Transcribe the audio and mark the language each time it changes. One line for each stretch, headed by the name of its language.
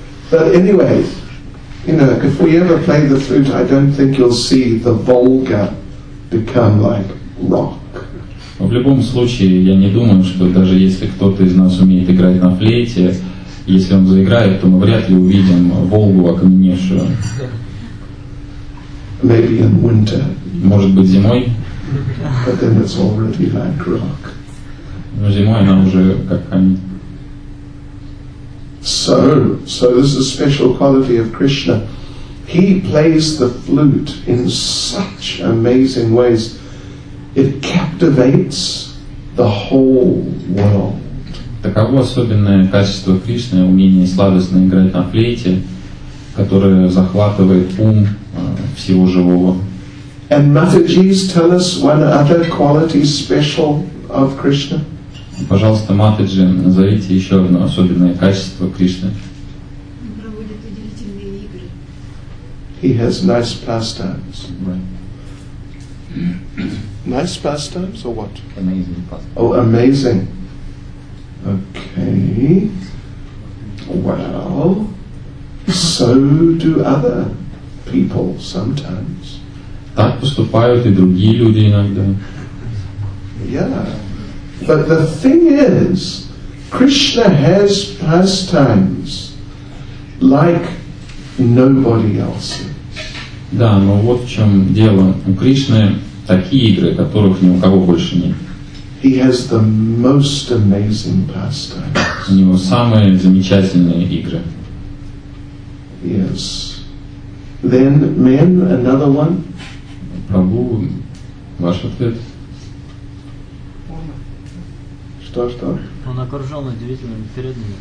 English: But anyway, you know, if we ever play the flute, I don't think you'll see the Volga become like rock.
Russian: В любом случае, я не думаю, что даже если кто-то из нас умеет играть на флейте, если он заиграет, то мы вряд ли увидим Волгу окаменевшую.
English: Maybe in winter.
Russian: Может быть, зимой.
English: But then it's already like rock.
Russian: Но зимой она уже как камень.
English: So this is a special quality of Krishna. He plays the flute in such amazing ways. It captivates the whole world.
Russian: Таково особенное качество Кришны, умение сладостно играть на флейте, которое захватывает ум всего живого.
English: And Matajis, tell us one other quality special of Krishna.
Russian: Пожалуйста, Матаджи, назовите еще одно особенное качество Кришны. Он проводит удивительные игры.
English: He has nice pastimes. Right. Nice pastimes or what? Amazing pastimes. Oh, amazing. Okay. Well, so do other people sometimes.
Russian: Так поступают и другие люди иногда.
English: Yeah. But the thing is, Krishna has pastimes like nobody else's.
Russian: Да, но вот в чем дело. У Кришны такие игры, которых ни у кого больше нет.
English: He has the most amazing pastimes.
Russian: У него самые замечательные игры.
English: Yes. Then men, another one.
Russian: Прабу, ваш ответ. Что, что? Он окружен удивительными преданными.